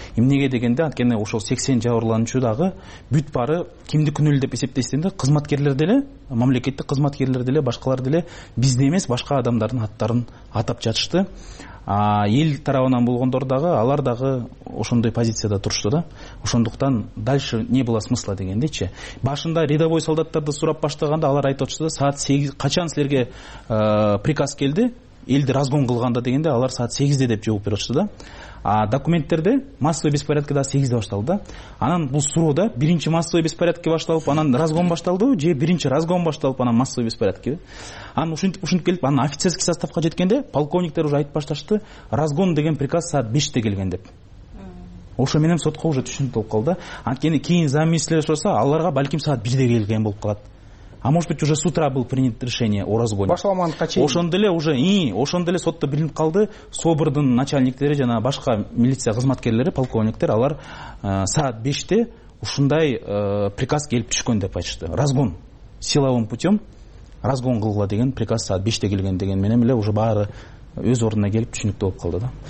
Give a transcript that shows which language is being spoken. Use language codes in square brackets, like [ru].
[ky] Эмнеге дегенде, анткени ошол 80 жабырлануучу дагы бүт бары кимди күнөөлүү деп эсептесең да, кызматкерлер деле, мамлекеттик кызматкерлер деле, башкалар деле бизди эмес, башка адамдардын аттарын атап жатышты. Эл тарабынан болгондор дагы алар дагы ошондой позицияда турушту да. [ru] Ошондуктан дальше не было смысла дегендечи. [ky] Башында рядовой солдаттарды сурап баштаганда алар айтып атышты да, саат 8 качан силерге приказ келди элди разгон кылганда дегенде, алар саат 8 деп жооп берип атышты да. Документтерде [ru] массовый беспорядки [ky] да 8 башталды да. Анан бул суроо да, биринчи [ru] массовый беспорядки [ky] башталып анан разгон башталдыбы, же биринчи разгон башталып анан массовый беспорядкиби? Анан ушинтип келип анан офицерский составка жеткенде полковниктер уже айтып башташты, разгон деген приказ саат 5 келген деп. Ошо менен сотко уже түшүнүп калды да. Анткени кийин замминистрлер сурса, аларга балким саат 1 келген болуп калат. [ru] А может быть уже с утра был принят решение о разгоне. [ky] Башламандык чечим. Ошондо эле уже ошондо эле сотто билинип калды. Собордун начальниктери жана башка милиция кызматкерлери, полковниктер алар саат 5 ушундай приказ келип түшкөн деп айтышты. Разгон [ru] силовым путем [ky] разгон кылгыла деген приказ саат 5 келген деген менен эле уже баары өз ордуна келип түшүнүктүү болуп калды да.